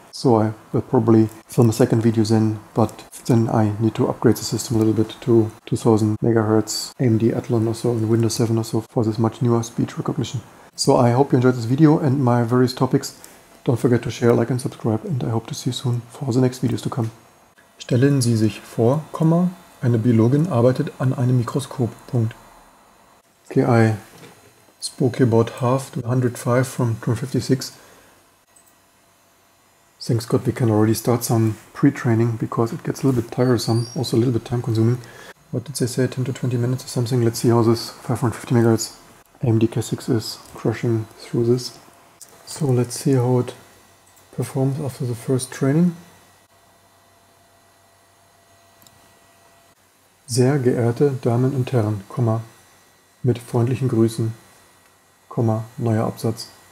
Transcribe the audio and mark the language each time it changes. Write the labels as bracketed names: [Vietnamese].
[English] So I will probably film a second video then, but then I need to upgrade the system a little bit to 2000 megahertz AMD Athlon or so, and Windows 7 or so for this much newer speech recognition. So I hope you enjoyed this video and my various topics. Don't forget to share, like and subscribe, and I hope to see you soon for the next videos to come. [German] Stellen Sie sich vor, eine Biologin arbeitet an einem Mikroskop. [English] Okay, I spoke about half to 105 from 256. Thanks God we can already start some pre-training, because it gets a little bit tiresome, also a little bit time consuming. What did they say, 10 to 20 minutes or something? Let's see how this 550 MHz AMD K6 is crushing through this. So let's see how it performs after the first training. [German] Sehr geehrte Damen und Herren, mit freundlichen Grüßen, neuer Absatz.